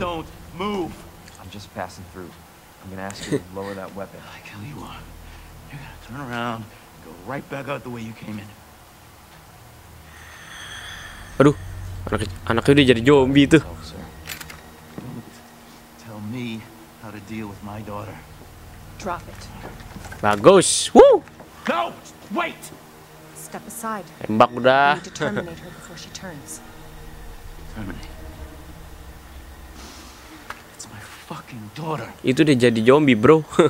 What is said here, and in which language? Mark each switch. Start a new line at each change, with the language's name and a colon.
English: I'm just passing through. I'm gonna ask you to lower that weapon. I kill you one. You gotta turn around and go right back out the way you came in.
Indonesian: Aduh, anak itu jadi zombie itu.
English: Tell me. How to deal with my daughter. Drop it.
Indonesian: Bagus.
English: Woo! No! Wait! Step aside.
Indonesian: Tembak udah.
English: We need to terminate her before she turns. Terminate. It's my fucking daughter.
Indonesian: Itu dia jadi zombie,
English: bro.